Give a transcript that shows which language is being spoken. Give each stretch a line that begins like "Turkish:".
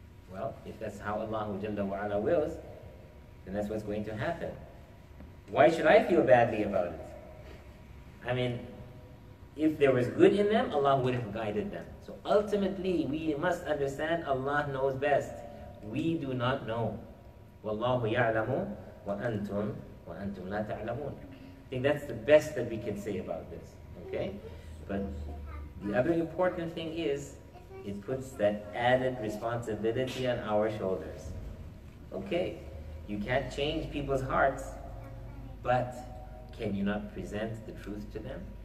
English: Well, if that's how Allah Jalla wa Ala wills, then that's what's going to happen. Why should I feel badly about it? I mean, if there was good in them, Allah would have guided them. So ultimately, we must understand Allah knows best. We do not know.
Arabic: وَاللَّهُ يَعْلَمُ وَأَنْتُمْ لَا تَعْلَمُونَ
English: I think that's the best that we can say about this, okay? But the other important thing is, it puts that added responsibility on our shoulders. Okay, you can't change people's hearts, but can you not present the truth to them?